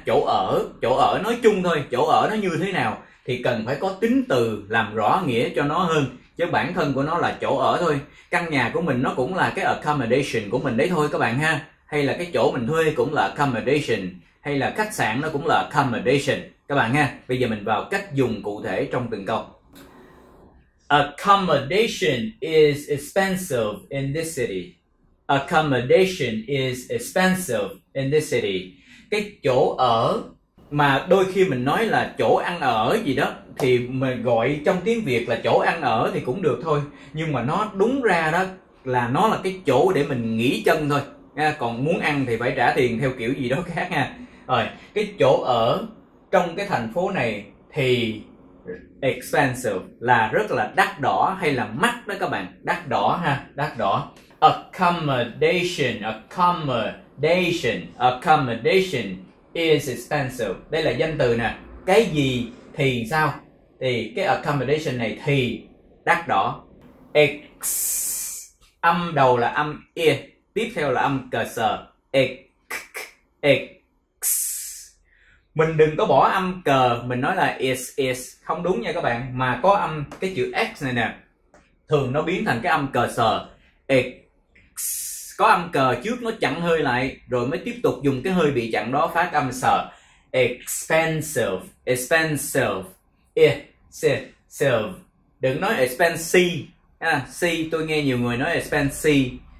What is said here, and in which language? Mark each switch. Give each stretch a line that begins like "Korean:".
Vietnamese: Chỗ ở nói chung thôi, chỗ ở nó như thế nào thì cần phải có tính từ làm rõ nghĩa cho nó hơn. Chứ bản thân của nó là chỗ ở thôi. Căn nhà của mình nó cũng là cái accommodation của mình đấy thôi các bạn ha. Hay là cái chỗ mình thuê cũng là accommodation. Hay là khách sạn nó cũng là accommodation các bạn ha. Bây giờ mình vào cách dùng cụ thể trong từng câu.
English: Accommodation is expensive in this city. Accommodation is expensive in this city.
Vietnamese: Cái chỗ ở mà đôi khi mình nói là chỗ ăn ở gì đó, thì mình gọi trong tiếng Việt là chỗ ăn ở thì cũng được thôi. Nhưng mà nó đúng ra đó là nó là cái chỗ để mình nghỉ chân thôi. Còn muốn ăn thì phải trả tiền theo kiểu gì đó khác nha. Rồi, cái chỗ ở trong cái thành phố này thì expensive là rất là đắt đỏ hay là mắc đó các bạn. Đắt đỏ ha, đắt đỏ.
English: Accommodation, accommodation, accommodation is expensive.
Vietnamese: Đây là danh từ nè. Cái gì thì sao? Thì cái accommodation này thì đắt đỏ. X, âm đầu là âm e, tiếp theo là âm cờ sờ. X. Mình đừng có bỏ âm cờ, mình nói là is, không đúng nha các bạn. Mà có âm cái chữ X này nè, thường nó biến thành cái âm cờ sờ. X. Có âm cờ trước nó chặn hơi lại, rồi mới tiếp tục dùng cái hơi bị chặn đó phát âm sờ.
English: Expensive, expensive, expensive.
Vietnamese: Đừng nói expensive, tôi nghe nhiều người nói expensive.